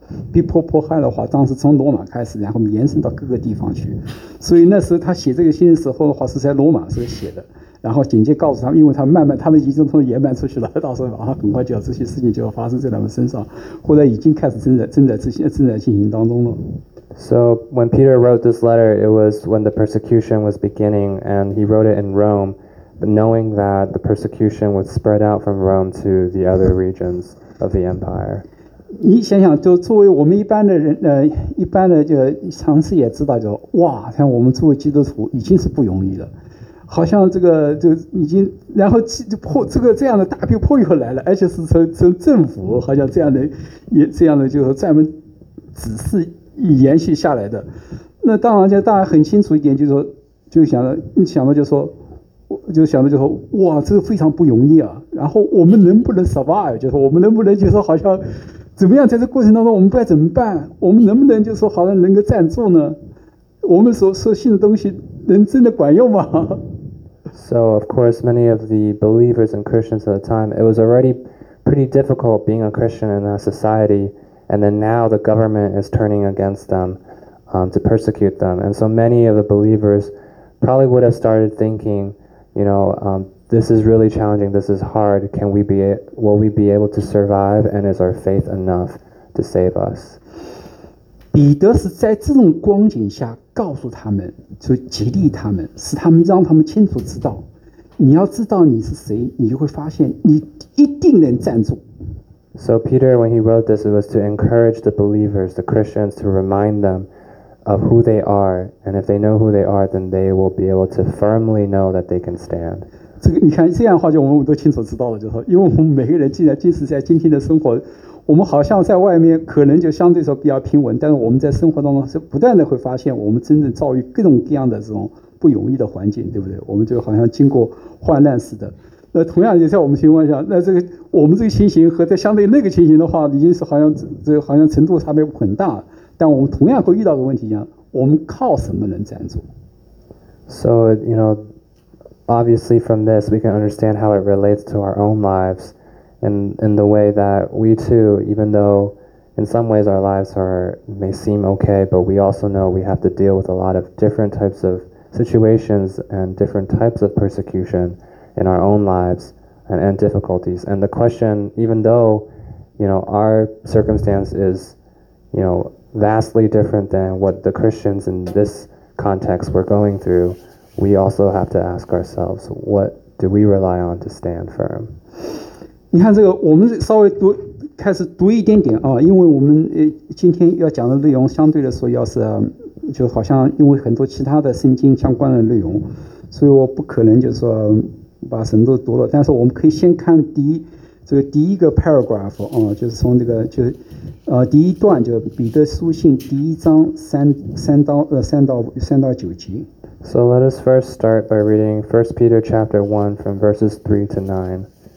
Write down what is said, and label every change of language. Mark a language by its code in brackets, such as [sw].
[zh] 逼迫迫害的话，当时从罗马开始然后延伸到各个地方去，所以那时候他写这个信的时候的话是在罗马时候写的，然后紧接告诉他们，因为他们已经从延绵出去了，到时候很快就要这些事情就要发生在他们身上，或者已经开始正在进行当中了。 [en] So when Peter wrote this letter, it was when the persecution was beginning, and he wrote it in Rome, knowing that the persecution would spread out from Rome to the other regions of the empire. [zh] 你想想，就作为我们一般的人，一般的就常识也知道，就哇，像我们作为基督徒已经是不容易了。好像这个就已经然后就破这个这样的大逼迫又来了，而且是从政府好像这样的就是专门指示延续下来的。那当然就大家很清楚一点，就是说就想着想着就说就想着就说哇这个非常不容易啊，然后我们能不能 survive， 就是我们能不能就是好像怎么样在这过程当中我们不知道怎么办，我们能不能就说好像能够站住呢，我们所信的东西能真的管用吗？ [en] So of course many of the believers and Christians at the time, it was already pretty difficult being a Christian in a society, and then now the government is turning against them, to persecute them. And so many of the believers probably would have started thinking, you know, this is really challenging, this is hard, will we be able to survive, and is our faith enough to save us? [zh] 彼得是在这种光景下告诉他们，就激励他们，使他们让他们清楚知道，你要知道你是谁，你就会发现你一定能站住。 [en] So Peter, when he wrote this, it was to encourage the believers, the Christians, to remind them of who they are, and if they know who they are, then they will be able to firmly know that they can stand. [zh] 这个你看这样的话，就我们都清楚知道了，就说，因为我们每个人既然即使在今天的生活。我们好像在外面可能就相对说比较平稳，但是我们在生活当中是不断的会发现，我们真正遭遇各种各样的这种不容易的环境，对不对？我们就好像经过患难似的。那同样也在我们情况下，那这个我们这个情形和在相对那个情形的话，已经是好像这好像程度差别很大。但我们同样会遇到个问题一样，我们靠什么能站住 [en] ？So you know, obviously from this we can understand how it relates to our own lives. In the way that we too, even though in some ways our lives may seem okay, but we also know we have to deal with a lot of different types of situations and different types of persecution in our own lives and difficulties. And the question, even though, you know, our circumstance is, you know, vastly different than what the Christians in this context were going through, we also have to ask ourselves, what do we rely on to stand firm? [zh] 你看这个，我们稍微读开始读一点点啊，因为我们今天要讲的内容相对来说要是就好像因为很多其他的圣经相关的内容，所以我不可能就是说把神都读了，但是我们可以先看第一个 paragraph 啊，就是从这个就是第一段，就彼得书信第一章三到九节。 [en] So let us first start by reading 1 Peter chapter 1 from verses 3 to 9.